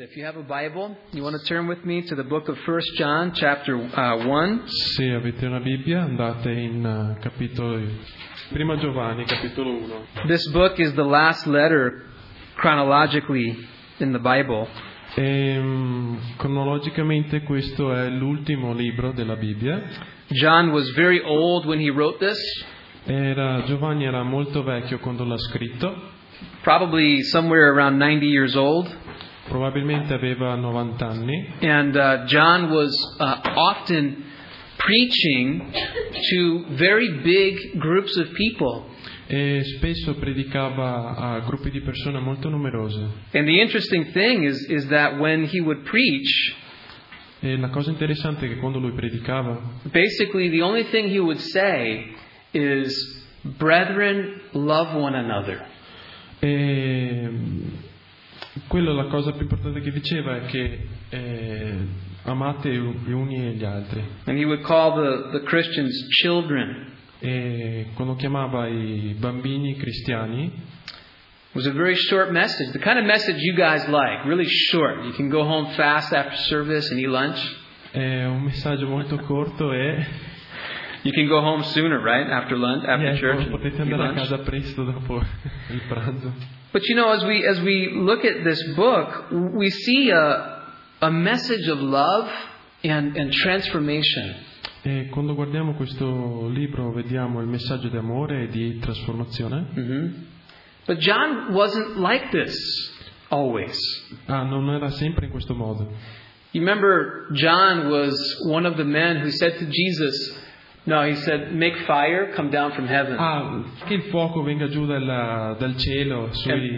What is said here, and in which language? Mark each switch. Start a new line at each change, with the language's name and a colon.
English: If you have a Bible, you want to turn with me to the book of 1 John, chapter 1.
Italian: Se avete una Bibbia, andate in capitolo 1 Giovanni, capitolo 1.
English: This book is the last letter chronologically in the Bible.
Italian: E cronologicamente questo è l'ultimo libro della Bibbia.
English: John was very old when he wrote this.
Italian: Giovanni era molto vecchio quando l'ha scritto.
English: Probably somewhere around 90 years old.
Italian: Probabilmente aveva 90 anni.
English: And John was often preaching to very big groups of people.
Italian: E spesso predicava a gruppi di persone molto numerose.
English: And the interesting thing is that when he would preach,
Italian: e la cosa interessante è che quando lui predicava,
English: basically the only thing he would say is, "Brethren, love one another."
Italian: E quella la cosa più importante che diceva è che amate gli uni e gli altri.
English: And he would call the Christians children.
Italian: E quando chiamava i bambini cristiani,
English: was a very short message, the kind of message you guys like, really short. You can go home fast after service and eat lunch.
Italian: È un messaggio molto corto e
English: you can go home sooner, right? After lunch, after church.
Italian: Potete andare a casa presto dopo il pranzo.
English: But you know, as we look at this book, we see a message of love and transformation.
Italian: E quando guardiamo questo libro vediamo il messaggio di amore e di trasformazione.
English: But John wasn't like this always.
Italian: Ah, non era sempre in questo modo.
English: You remember John was one of the men who said to Jesus, no, he said, make fire come down from heaven.
Italian: Ah, che il fuoco venga giù dal cielo sui.